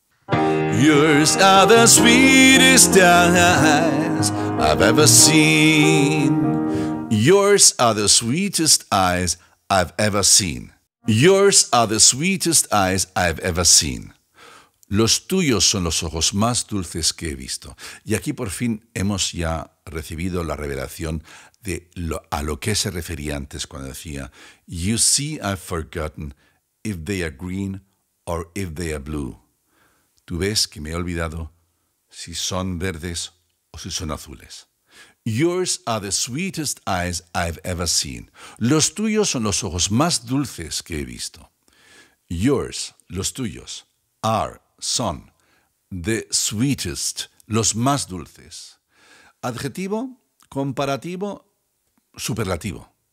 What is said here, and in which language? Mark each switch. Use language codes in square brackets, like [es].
[en] Yours are the sweetest eyes I've ever seen. Yours are the sweetest eyes I've ever seen. Yours are the sweetest eyes I've ever seen. [es] Los tuyos son los ojos más dulces que he visto. Y aquí por fin hemos ya recibido la revelación de a lo que se refería antes cuando decía [en] You see, I've forgotten if they are green or if they are blue. [es] Tú ves que me he olvidado si son verdes o si son azules. [en] Yours are the sweetest eyes I've ever seen. [es] Los tuyos son los ojos más dulces que he visto. [en] Yours, [es] los tuyos, are, son, [en] the sweetest, [es] los más dulces. Adjetivo, comparativo, superlativo.